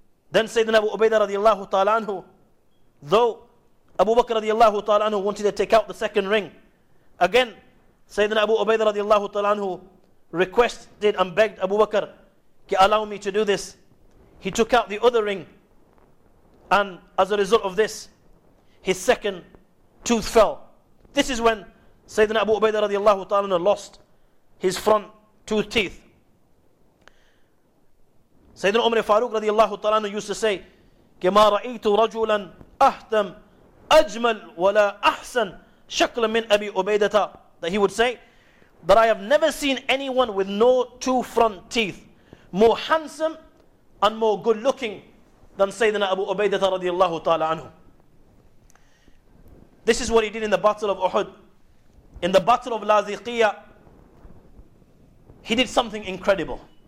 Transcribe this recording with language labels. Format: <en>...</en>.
<en>Then Sayyidina Abu Ubaidah radiallahu ta'ala anhu, though Abu Bakr radiallahu ta'ala anhu wanted to take out the second ring, again Sayyidina Abu Ubaidah radiallahu ta'ala anhu requested and begged Abu Bakr, allow me to do this. He took out the other ring, and as a result of this, his second tooth fell. This is when Sayyidina Abu Ubaidah radiallahu ta'ala anhu lost his front two teeth. Sayyidina Umar Farooq radiallahu ta'ala anhu used to say,</en> <ar>كَمَا رَأَيْتُ رَجُلًا أَهْتَمْ أَجْمَلْ وَلَا أَحْسَنْ شَكْلًا مِنْ أَبِي أُبَيْدَةَ.</ar> <en>That he would say, that I have never seen anyone with no two front teeth more handsome and more good looking than Sayyidina Abu Ubaidah radiallahu ta'ala anhu. This is what he did in the battle of Uhud. In the battle of Laziqiyya, he did something incredible.</en>